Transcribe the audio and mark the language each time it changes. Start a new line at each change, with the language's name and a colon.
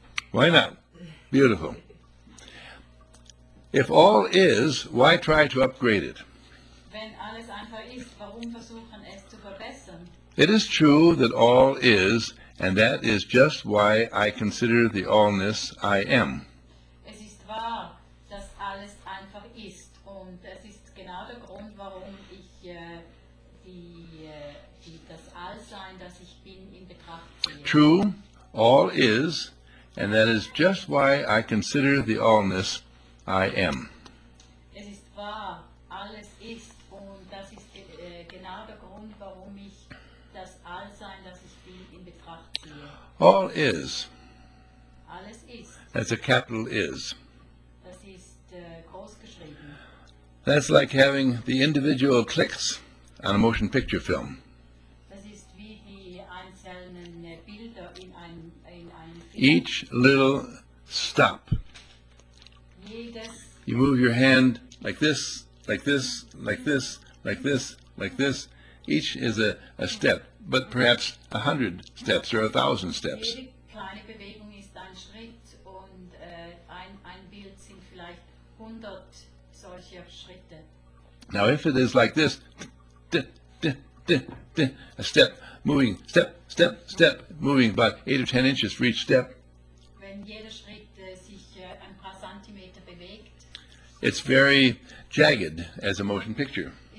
English: Why not? Beautiful. If all is, why try to upgrade it?
German: Wenn alles einfach ist, warum versuchen es zu verbessern?
English: It is true that all is, and that is just why I consider the allness I am.
German: Es ist wahr, dass alles einfach ist, und es ist genau der Grund, warum ich das Allsein, das ich bin, in Betracht ziehe.
English: True, all is, and that is just why I consider the allness I am.
German: Es ist wahr, alles ist, und das ist genau der Grund, warum ich das Allsein, das ich bin, in Betracht ziehe.
English: All is.
German: Alles ist.
English: That's a capital is.
German: Das ist großgeschrieben.
English: That's like having the individual clicks on a motion picture film.
German: Das ist wie die einzelnen Bilder in einem Film.
English: Each little stop. You move your hand like this, like this, like this, like this, like this. Each is a step, but perhaps 100 steps or 1,000 steps.
German: Jede kleine Bewegung ist ein Schritt, und ein Bild sind vielleicht 100 solcher Schritte.
English: Now if it is like this, a step, moving, step, step, step, moving about 8 or 10 inches for each step.
German: Wenn jeder Schritt sich ein paar Zentimeter bewegt,
English: it's very jagged as a motion picture.